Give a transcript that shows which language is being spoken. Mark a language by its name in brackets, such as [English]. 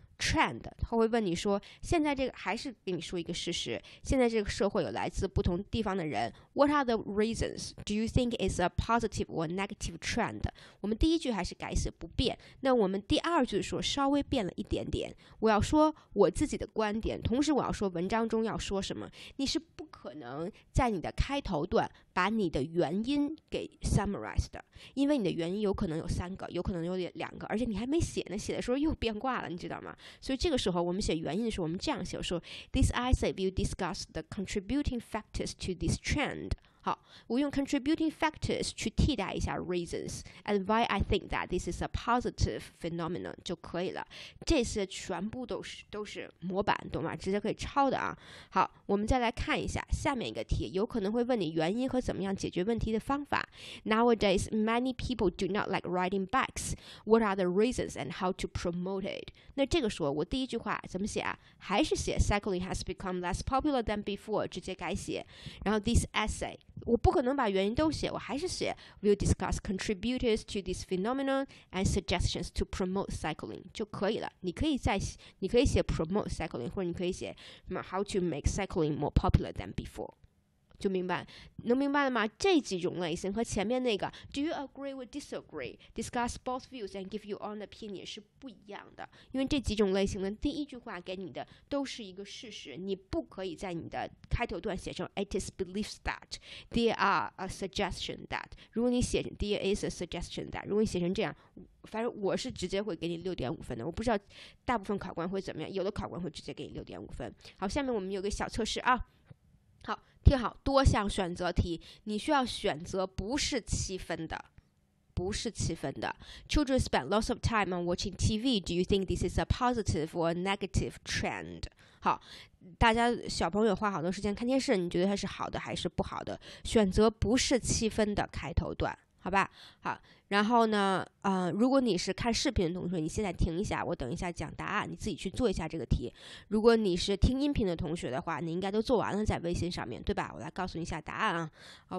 [Chinese] trend， 他会问你说，现在这个还是给你说一个事实，现在这个社会有来自不同地方的人。 [English] What are the reasons? Do you think it's a positive or negative trend? [Chinese] 我们第一句还是改写不变，那我们第二句说稍微变了一点点。我要说我自己的观点，同时我要说文章中要说什么。你是不可能在你的开头段把你的原因给 summarize 的，因为你的原因有可能有三个，有可能有两个，而且你还没写呢，写的时候又变卦了，你知道吗？所以这个时候我们写原因的时候，我们这样写，说 [English] This essay will discuss the contributing factors to this trend。 [Chinese] 好，我用 [English] contributing factors [Chinese] 去替代一下 [English] reasons and why I think that this is a positive phenomenon [Chinese] 就可以了。这些全部都是模板，懂吗？直接可以抄的啊。好，我们再来看一下下面一个题，有可能会问你原因和怎么样解决问题的方法。 [English] Nowadays many people do not like riding bikes. What are the reasons and how to promote it? [Chinese] 那这个时候我第一句话怎么写啊？还是写 [English] Cycling has become less popular than before， [Chinese] 直接改写。然后 [English] This essay， [Chinese] 我不可能把原因都写，我还是写 [English] We'll discuss contributors to this phenomenon and suggestions to promote cycling [Chinese] 就可以了。你可以写 promote cycling， 或者你可以写什么 [English] How to make cycling more popular than before， [Chinese] 就明白，能明白了吗？这几种类型和前面那个 [English] Do you agree or disagree? Discuss both views and give your own opinion [Chinese] 是不一样的，因为这几种类型的第一句话给你的都是一个事实，你不可以在你的开头段写成 [English] It is believed that there are a suggestion that， [Chinese] 如果你写成 [English] There is a suggestion that， [Chinese] 如果你写成这样，反正我是直接会给你 6.5 分的，我不知道大部分考官会怎么样，有的考官会直接给你 6.5 分。好，下面我们有个小测试啊。好，听好，多项选择题，你需要选择不是七分的，不是七分的。 [English] Children spend lots of time on watching TV. Do you think this is a positive or negative trend? [Chinese] 好，大家小朋友花好多时间看电视，你觉得它是好的还是不好的？选择不是七分的开头段，好吧？好，然后呢，如果你是看视频的同学，你现在停一下，我等一下讲答案，你自己去做一下这个题。如果你是听音频的同学的话，你应该都做完了在微信上面，对吧？我来告诉你一下答案啊。